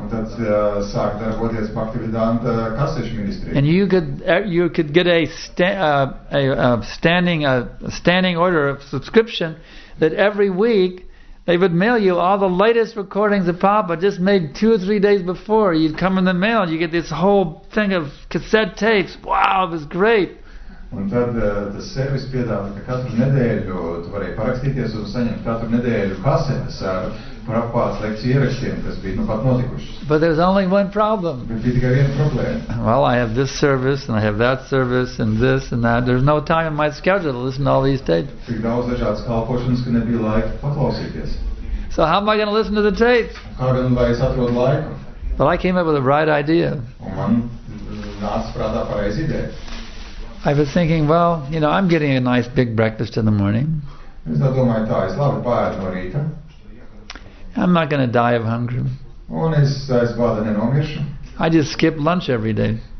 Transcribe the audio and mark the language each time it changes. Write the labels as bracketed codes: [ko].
[en] And you could get a standing order of subscription that every week they would mail you all the latest recordings of Prabhupada, just made 2 or 3 days before. You'd come in the mail, you get this whole thing of cassette tapes. Wow, it was great. [lv] Un tad tas servis piedāvā, ka katru nedēļu tu varēji parakstīties un saņemt katru nedēļu kasetes ar Prabhupādas lekciju ierakstiem, kas bija nu pat notikušas. [en] But there's only one problem. [lv] Bet bija tikai viena problēma. [en] Well, I have this service, and I have that service, and this, and that. There's no time in my schedule to listen to all these tapes. [lv] Tik daudz dažādas kalpošanas, ka nebija laika paklausīties. [en] So how am I going to listen to the tapes? [lv] Kā gan vai es atrodu laiku? [en] But I came up with a right idea. [lv] Un man nāca prātā pareiza ideja. [en] I was thinking, well, you know, I'm getting a nice big breakfast in the morning. I'm not going to die of hunger. I just skip lunch every day.